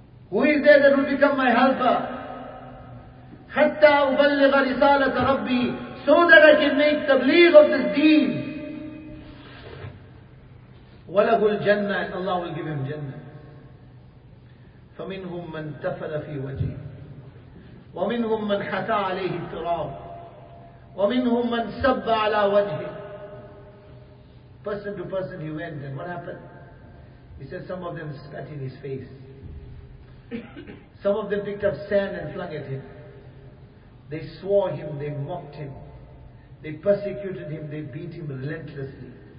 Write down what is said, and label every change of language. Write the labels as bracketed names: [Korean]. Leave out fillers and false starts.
[English] Who is there that will become my helper? [Arabic] حَتَّى أُبَلِّغَ رِسَالَةَ رَبِّي. [English] So that I can make tabligh of this deen. [Arabic] وَلَهُ الْجَنَّةِ. [English] Allah will give him Jannah. [Arabic] فَمِنْهُمْ مَنْ تَفَلَ فِي وَجِهِ. ومنهم من حتى عليه التراب ومنهم من سب على وجهه. [English] Person to person he went, and what happened? He said some of them spat in his face. Some of them picked up sand and flung at him. They swore him, they mocked him, they persecuted him, they beat him relentlessly.